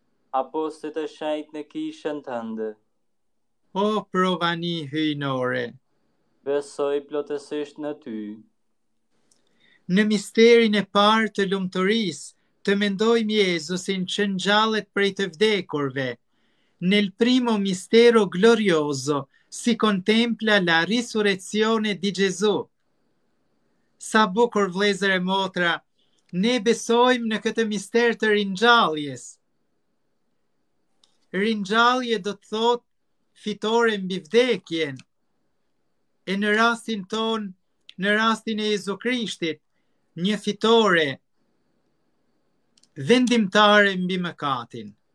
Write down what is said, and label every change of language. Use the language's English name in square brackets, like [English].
[Albanian] apostit e shenjtë në kishën tënde. O provani hyjnore, besoj plotësisht në ty. Në misterin e parë të lumturisë, të mendojmë Jezusin që ngjallet prej të vdekurve. [Italian] Nel primo mistero glorioso si contempla la risurrezione di Gesù. [Albanian] Sa bukur vlezër e motra, ne besojmë në këtë mister të ringjalljes. Ringjallje do të thotë fitore mbi vdekjen. E në rastin ton, në rastin e Jezu Krishtit, një fitore vendimtare mbi mëkatin.